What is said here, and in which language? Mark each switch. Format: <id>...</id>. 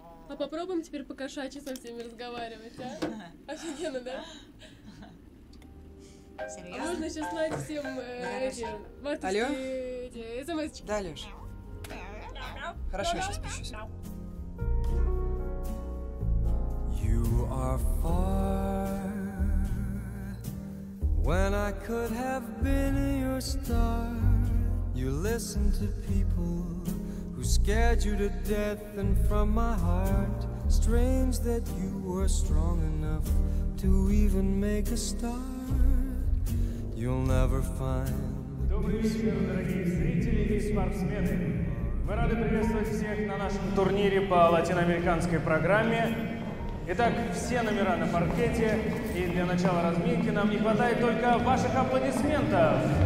<ru>А попробуем теперь по-кошачьи со всеми разговаривать, а? Офигенно, да? Серьезно? Можно сейчас лайк всем Алло? СМС-очки. Да, Леш. Хорошо, я сейчас спущусь.</ru> <en>You are far when I could have been your star. You listen to people who scared you to death. And from my heart, strange that you were strong enough to even make a start. You'll never find.</en> <ru>Добрый вечер, дорогие зрители и спортсмены. Мы рады приветствовать всех на нашем турнире по латиноамериканской программе. Итак, все номера на паркете. И для начала разминки нам не хватает только ваших аплодисментов.</ru>